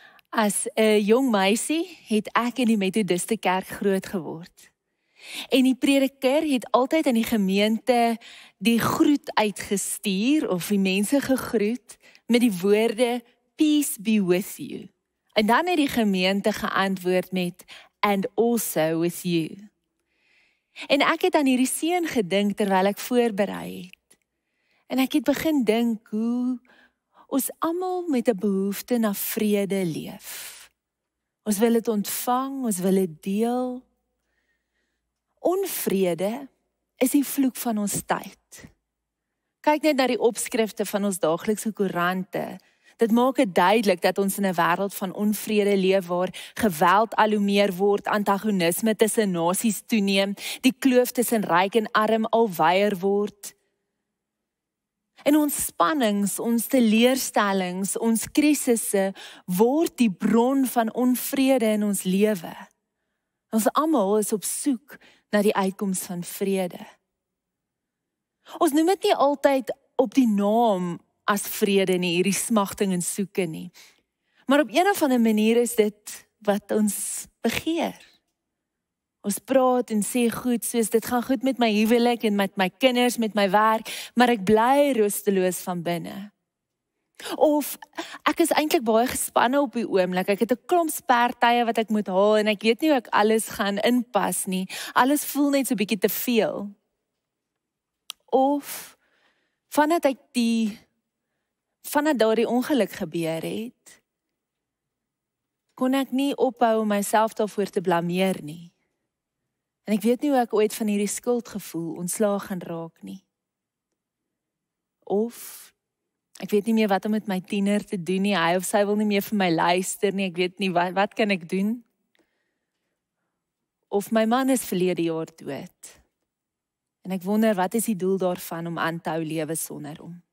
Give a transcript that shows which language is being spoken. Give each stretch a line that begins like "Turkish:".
Afrikaans: As 'n jong meisie het ek in die Methodiste kerk groot geword. En die prediker het altyd in die gemeente die groet uitgestuur of die mense gegroet met die woorde
English: peace be with you.
Afrikaans: En dan het die gemeente geantwoord met
English: and also with you.
Afrikaans: En ek het aan hierdie seun gedink terwyl ek voorberei het. En ek het begin dink hoe ons almal met 'n behoefte na vrede leef. Ons wil dit ontvang, ons wil dit deel. Onvrede is die vloek van ons tyd. Kyk net na die opskrifte van ons daaglikse koerante. Dit maak dit duidelik dat ons in 'n wêreld van onvrede leef waar geweld al hoe meer word, antagonisme tussen nasies toeneem, die kloof tussen ryk en arm al wyer word. En ons spanninge, ons teleurstellings, ons krisisse word die bron van onvrede in ons lewe. Ons almal is op soek na die uitkoms van vrede. Ons noem dit nie altyd op die naam as vrede nie, hierdie smagting en soeke nie. Maar op een of ander manier is dit wat ons begeer. Ons praat en sê goed, soos dit gaan goed met my huwelik en met my kinders, met my werk, maar ek bly rusteloos van binne. Of ek is eintlik baie gespanne op die oomblik. Ek het 'n klomp spertye wat ek moet haal en ek weet nie hoe ek alles gaan inpas nie. Alles voel net so 'n bietjie te veel. Of vandat daardie ongeluk gebeur het, kon ek nie ophou om myself daarvoor te blameer nie. En ek weet nie hoe ek ooit van hierdie skuldgevoel ontslaag gaan raak nie. Of ek weet nie meer wat om met my tiener te doen nie. Hy of sy wil nie meer vir my luister nie. Ek weet nie wat kan ek doen? Of my man is verlede jaar dood. En ek wonder wat is die doel daarvan om aan te hou lewe sonder hom?